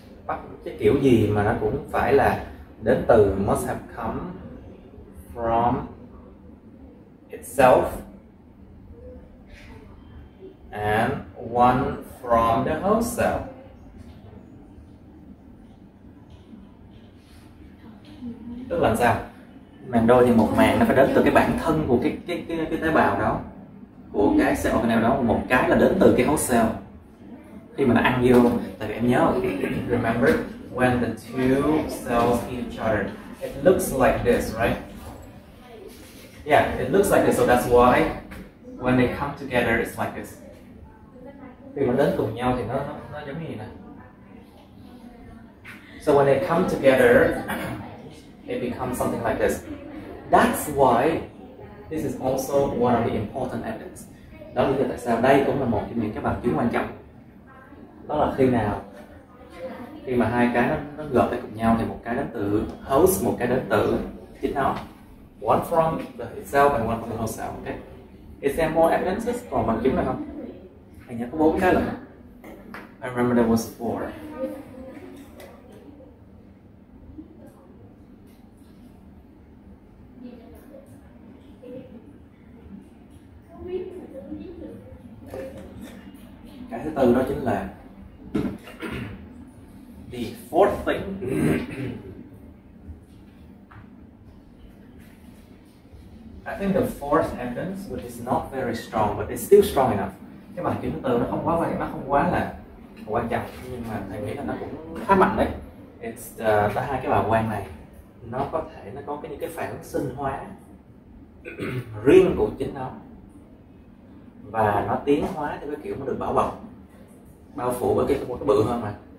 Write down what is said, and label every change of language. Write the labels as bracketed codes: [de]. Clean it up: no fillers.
[vi] bắt cái kiểu gì mà nó cũng phải là đến từ, [en] must have come from itself and one from the host cell. [vi] Tức là sao? Màng đôi thì một màng nó phải đến từ cái bản thân của cái tế bào đó, của cái cell organelle đó, một cái là đến từ cái host cell. Khi mà nó ăn vô, tại vì em nhớ [en] remember when the two cells eat each other, it looks like this, right? Yeah, it looks like this, so that's why when they come together, it's like this. [vi] Khi mà đến cùng nhau thì nó giống như này. [en] So when they come together, it becomes something like this. That's why this is also one of the important evidence. [vi] Đó là tại sao đây cũng là một trong những cái bằng chứng quan trọng. Đó là khi nào? Khi mà hai cái nó gộp lại cùng nhau thì một cái đến từ host, một cái đến từ chính nó. [en] One from the itself and one from the host cell, okay? Is there more evidences? [vi] Còn bằng chứng nào không? Anh nhớ có 4 cái lần. [en] I remember there was 4. [vi] Cái thứ tư đó chính là [en] the fourth thing. I think the fourth evidence, which is not very strong, but it's still strong enough. [vi] Cái bằng chứng thứ tư nó không quá là quan trọng, nhưng mà thầy nghĩ là nó cũng khá mạnh đấy. [en] It's the [vi] hai cái bảo quang này, nó có thể nó có cái những cái phản ứng sinh hóa riêng của chính nó, và nó tiến hóa theo cái kiểu nó được bảo bọc, bao phủ bởi cái một cái bự hơn mà.